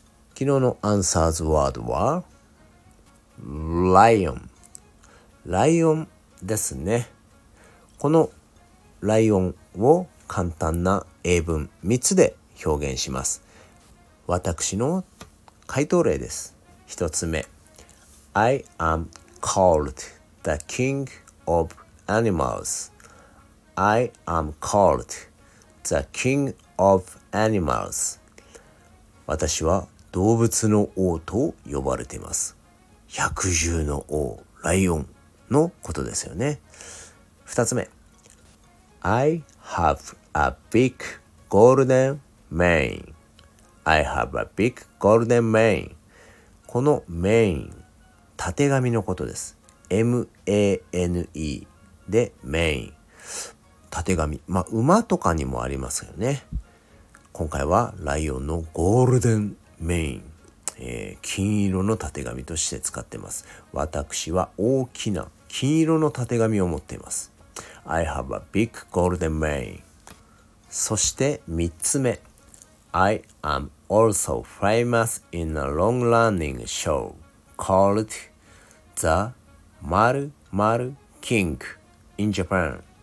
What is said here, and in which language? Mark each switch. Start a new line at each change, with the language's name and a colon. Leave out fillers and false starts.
Japanese: 昨日のアンサーズワードはライオン、ライオンですね。このライオンを簡単な英文3つで表現します。私の回答例です。 1つ目、
English: I am called the king of animals. I am called the king of animals.
Japanese: 私は動物の王と呼ばれています。百獣の王、ライオンのことですよね。 2つ目、
English: I have a big golden mane. I have a big golden mane.
Japanese: このメイン、たてがみのことです。 M-A-N-E でメイン。たてがみ。まあ、馬とかにもありますよね。今回はライオンのゴールデンメイン。金色のたてがみとして使ってます。私は大きな金色のたてがみを持っています。
English: I have a big golden mane.
Japanese: そして3つ目、
English: I am also famous in a long running show called The Marumaru King in Japan.